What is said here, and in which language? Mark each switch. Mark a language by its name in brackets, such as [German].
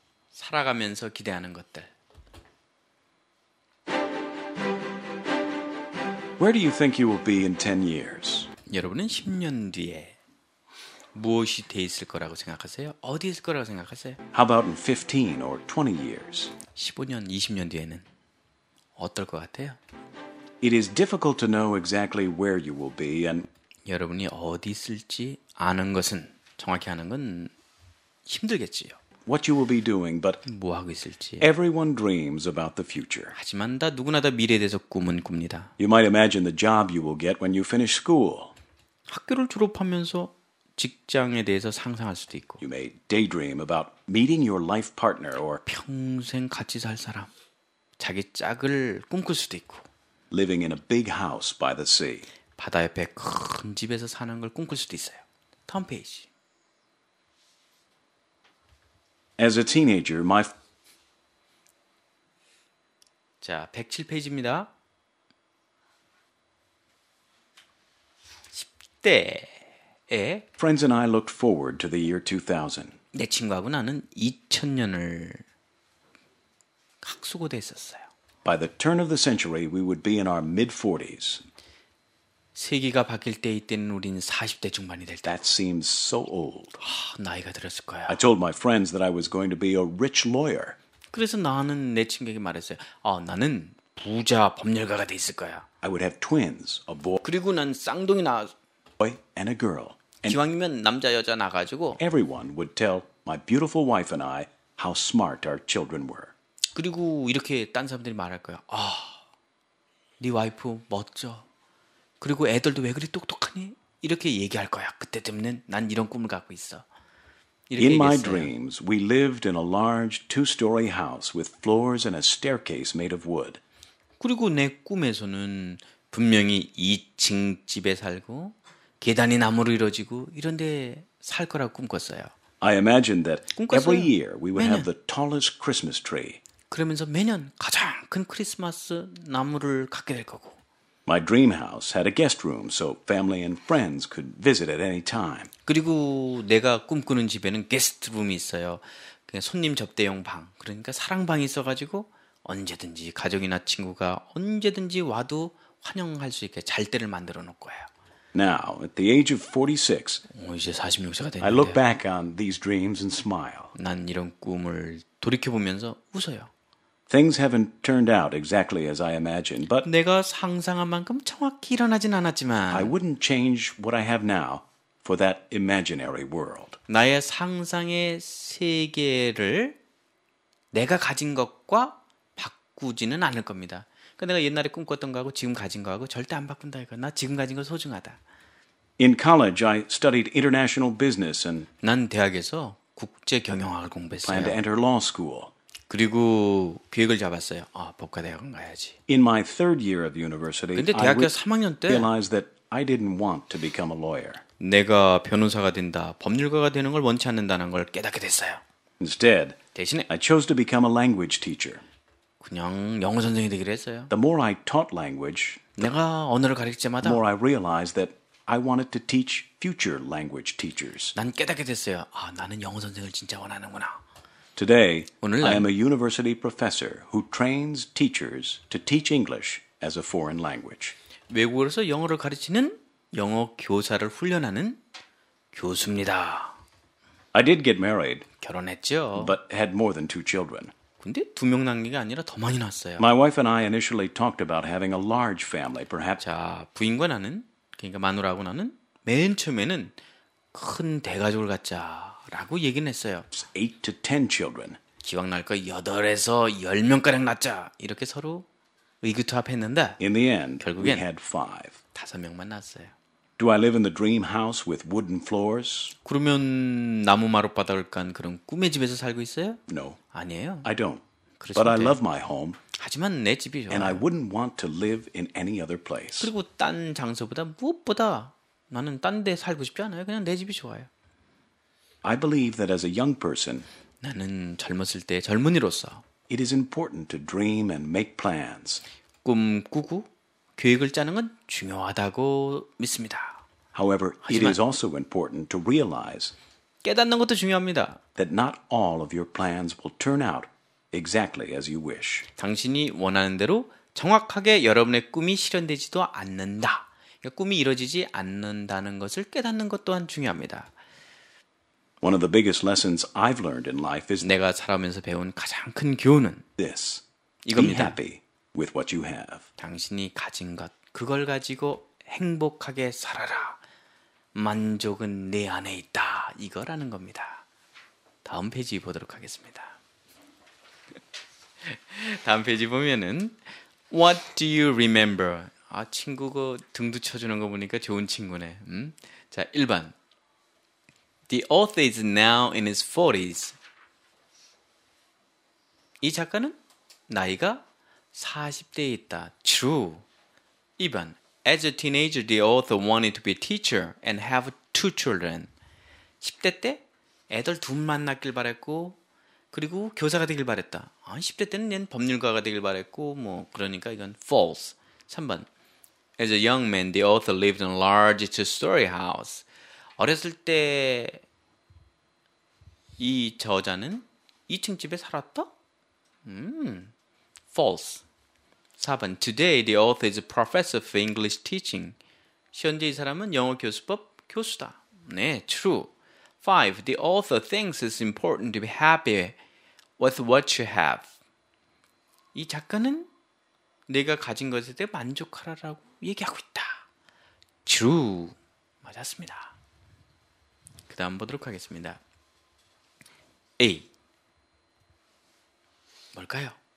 [Korean] 살아가면서 기대하는 것들. [English] Where do you think you will be in 10 years? [Korean] 여러분은 10년 뒤에 무엇이 돼 있을 거라고 생각하세요? 어디 있을 거라고 생각하세요? [English] How about in 15 or 20 years? [Korean] 15년, 20년 뒤에는 어떨 것 같아요? [English] It is difficult to know exactly where you will be and [Korean] 여러분이 어디 있을지 아는 것은 정확히 아는 건 힘들겠지요. [English] What you will be doing, but [Korean] 뭐 하고 있을지. [English] Everyone dreams about the future. [Korean] 하지만 다 누구나 다 미래에 대해서 꿈은 꿉니다. [English] You might imagine the job you will get when you finish school. [Korean] 학교를 졸업하면서 직장에 대해서 상상할 수도 있고. [English] You may daydream about meeting your life partner or [Korean] 평생 같이 살 사람, 자기 짝을 꿈꿀 수도 있고. [English] Living in a big house by the sea. [Korean] 바다 옆에 큰 집에서 사는 걸 꿈꿀 수도 있어요. 다음 페이지. [English] As a teenager, my [Korean] 자, 107페이지입니다. 10대에 [English] Friends and I looked forward to the year 2000. [Korean] 내 친구하고 나는 2000년을 각수고대 했었어요. [English] By the turn of the century, we would be in our mid-40s. [Korean] 세기가 바뀔 때 이때는 우린 40대 중반이 될 때. [English] That seems so old. [Korean] 아, 나이가 들었을 거야. [English] I told my friends that I was going to be a rich lawyer. [Korean] 그래서 나는 내 친구에게 말했어요. 아, 나는 부자 법률가가 돼 있을 거야. [English] I would have twins, a boy. [Korean] 그리고 난 쌍둥이 낳았어. [English] Boy and a girl. [Korean] 기왕이면 남자 여자 나가지고. [English] Everyone would tell my beautiful wife and I how smart our children were. [Korean] 그리고 이렇게 딴 사람들이 말할 거야. 아, 네 와이프 멋져. 그리고 애들도 왜 그리 똑똑하니? 이렇게 얘기할 거야. 그때쯤은 난 이런 꿈을 갖고 있어. 이렇게 [English] In my dreams, we lived in a large two-story house with floors and a staircase made of wood. [Korean] 그리고 내 꿈에서는 분명히 2층 집에 살고 계단이 나무로 이루어지고 이런 데 살 거라고 꿈꿨어요. [English] I imagined that every year we would have the tallest Christmas tree. [Korean] 그러면서 매년 가장 큰 크리스마스 나무를 갖게 될 거고. [English] My dream house had a guest room so family and friends could visit at any time. [Korean] 그리고 내가 꿈꾸는 집에는 게스트 룸이 있어요. 그냥 손님 접대용 방. 그러니까 사랑방이 있어 가지고 언제든지 가족이나 친구가 언제든지 와도 환영할 수 있게 잘 때를 만들어 놓을 거예요. [English] Now, at the age of 46. [Korean] 이제 46세가 됐는데. [English] I look back on these dreams and smile. [Korean] 난 이런 꿈을 돌이켜 보면서 웃어요. [English] Things haven't turned out exactly as I imagined, but [Korean] 내가 상상한 만큼 정확히 일어나진 않았지만 [English] I wouldn't change what I have now for that imaginary world. [Korean] 나의 상상의 세계를 내가 가진 것과 바꾸지는 않을 겁니다. 그러니까 내가 옛날에 꿈꿨던 거하고 지금 가진 거하고 절대 안 바꾼다 이거. 나 지금 가진 거 소중하다. [English] In college I studied international business and [Korean] 난 대학에서 국제 경영학을 공부했어요. [English] Planned to enter law school. [Korean] 그리고 계획을 잡았어요. 아, 법과대학은 가야지. [English] In my third year of university, [Korean] 근데 대학교 3학년 때 [English] realized that I didn't want to become a lawyer. [Korean] 내가 변호사가 된다, 법률가가 되는 걸 원치 않는다는 걸 깨닫게 됐어요. [English] Instead, [Korean] 대신에 [English] I chose to become a language teacher. [Korean] 그냥 영어 선생이 되기로 했어요. [English] The more I taught language, [Korean] 내가 언어를 가르칠 때마다 [English] the more I realized that I wanted to teach future language teachers. [Korean] 난 깨닫게 됐어요. 아, 나는 영어 선생을 진짜 원하는구나. [English] Today, I am a university professor who trains teachers to teach English as a foreign language. [Korean] 외국어로서 영어를 가르치는 영어 교사를 훈련하는 교수입니다. [English] I did get married. [Korean] 결혼했죠. [English] But had more than two children. [Korean] 근데 두 명 낳은 게 아니라 더 많이 낳았어요. [English] My wife and I initially talked about having a large family, perhaps. [Korean] 자, 부인과 나는, 그러니까 마누라하고 나는 맨 처음에는 큰 대가족을 갖자. 라고 얘기는 했어요. [English] 8 to 10 children. [Korean] 기왕 날 거 8에서 10명가량 낳자. 이렇게 서로 의기투합했는데 [English] In the end, [Korean] 결국엔 [English] we had 5. [Korean] 5명만 낳았어요. [English] Do I live in the dream house with wooden floors? [Korean] 그러면 나무 마룻바닥을 깐 그런 꿈의 집에서 살고 있어요? [English] No. [Korean] 아니에요. [English] I don't. But I love my home. [Korean] 하지만 내 집이 좋아요. [English] And I wouldn't want to live in any other place. [Korean] 그리고 딴 장소보다 무엇보다 나는 딴 데 살고 싶지 않아요. 그냥 내 집이 좋아요. [English] I believe that as a young person, [Korean] 나는 젊었을 때 젊은이로서, [English] it is important to dream and make plans. [Korean] 꿈 꾸고 계획을 짜는 건 중요하다고 믿습니다. [English] However, it is also important to realize [Korean] 깨닫는 것도 중요합니다. [English] That not all of your plans will turn out exactly as you wish. [Korean] 당신이 원하는 대로 정확하게 여러분의 꿈이 실현되지도 않는다. 그러니까 꿈이 이루어지지 않는다는 것을 깨닫는 것 또한 중요합니다. [English] One of the biggest lessons I've learned in life is [Korean] 내가 살아오면서 배운 가장 큰 교훈은 [English] this. [Korean] 이겁니다. [English] Be happy with what you have. [Korean] 당신이 가진 것, 그걸 가지고 행복하게 살아라. 만족은 내 안에 있다. 이거라는 겁니다. 다음 페이지 보도록 하겠습니다. 다음 페이지 보면은 [English] What do you remember? [Korean] 아, 친구 그 등도 쳐주는 거 보니까 좋은 친구네. 자, 1번 [English] The author is now in his 40s. [Korean] 이 작가는 나이가 40대에 있다. [English] True. 2번 As a teenager, the author wanted to be a teacher and have two children. [Korean] 10대 때 애들 둘 만났길 바랬고 그리고 교사가 되길 바랬다. 아, 10대 때는 얘는 법률가가 되길 바랬고 뭐 그러니까 이건 false. [English] 3번 As a young man, the author lived in a large two-story house. [Korean] 어렸을 때 이 저자는 2층 집에 살았다? [English] False. 4번 Today, the author is a professor for English teaching. [Korean] 현재 이 사람은 영어 교수법 교수다. 네, true. 5. [English] The author thinks it's important to be happy with what you have. [Korean] 이 작가는 내가 가진 것에 대해 만족하라고 얘기하고 있다. True. 맞았습니다. 그 다음 보도록 하겠습니다. A. 뭘까요?